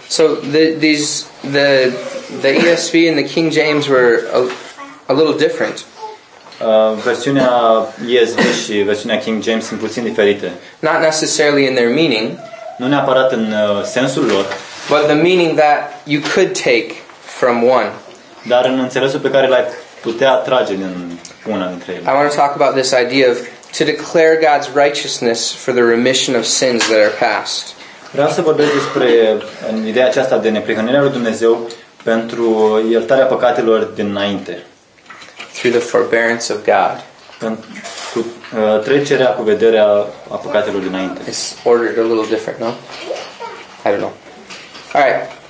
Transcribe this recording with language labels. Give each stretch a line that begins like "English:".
English: So the ESV and the King James were a little different.
Romanian: Versiunea ESV și versiunea King James sunt puțin diferite.
English: Not necessarily in their meaning.
Romanian: Nu neapărat în sensul lor.
English: But the meaning that you could take from one.
Romanian: Dar în înțelesul pe care l-ai putea trage din una dintre ele.
English: I want to talk about this idea of to declare God's righteousness for the remission of sins that are past.
Romanian: Vreau să vorbesc despre ideea aceasta de neprihănirea lui Dumnezeu pentru iertarea păcatelor dinainte.
English: Through the forbearance of God.
Romanian: Cu trecerea cu vederea a păcatelor dinainte.
English: It's ordered a little different, no? I don't know. All right.